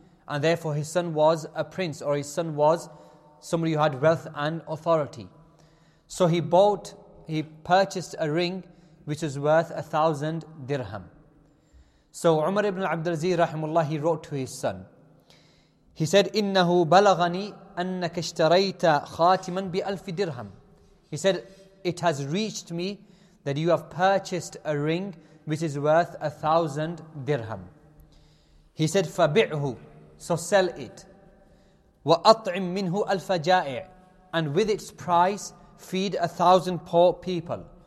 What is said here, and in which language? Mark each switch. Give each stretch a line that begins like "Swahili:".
English: And therefore his son was a prince, or his son was somebody who had wealth and authority. So he purchased a ring which is worth 1,000 dirham. So Umar ibn Abdul Aziz rahimullah, he wrote to his son. He said,
Arabic: إِنَّهُ بَلَغَنِي أَنَّكَ اشْتَرَيْتَ خَاتِمًا بِأَلْفِ dirham.
English: He said, it has reached me that you have purchased a ring which is worth 1,000 dirham. He said,
Arabic: فَبِعْهُ.
English: So sell it.
Arabic: وَأَطْعِمْ مِنْهُ أَلْفَ جَائِعِ.
English: And with its price, feed 1,000 poor people.